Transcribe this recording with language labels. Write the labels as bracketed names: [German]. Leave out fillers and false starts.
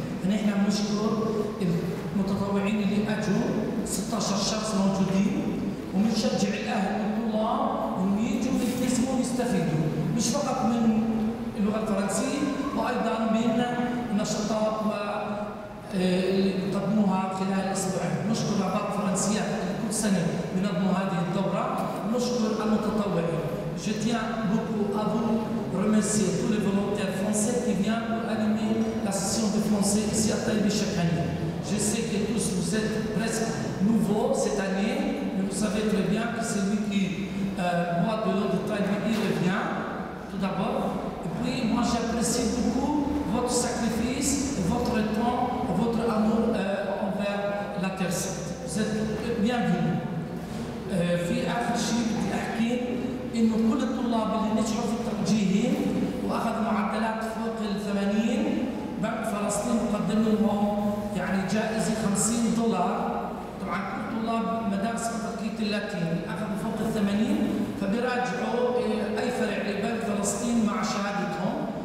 [Arabic] نحن بنشكر المتطوعين اللي أجوا 16 شخص موجودين، وبنشجع الأهل والطلاب إنهم يجوا يلتزموا ويستفيدوا، مش فقط من اللغة الفرنسية وأيضا من نشاطات و اللي بتقدموها خلال اسبوعين. نشكر اعضاء فرنسيات كل سنه بنظموا هذه الدوره، نشكر المتطوعين. [French] Je tiens beaucoup à vous remercier tous les volontaires français qui viennent pour animer l'association de français ici à Taïbi chaque année. Je sais que tous vous êtes presque nouveaux cette année, mais vous savez très bien que celui qui boit de l'eau de Taïbi, il revient tout d'abord. Et puis moi j'apprécie beaucoup votre sacrifice, votre temps, votre amour envers la Terre Sainte. Vous êtes bienvenue. [Arabic] في آخر شيء بدي أحكي إنه كل الطلاب اللي نجحوا في الترجيهين وأخذوا معدلات فوق 80، بنك فلسطين مقدم لهم يعني جائزة $50. طبعاً كل طلاب مدارس فقهية اللاتين أخذوا فوق 80، فبيراجعوا أي فرع لبنك فلسطين مع شهادتهم.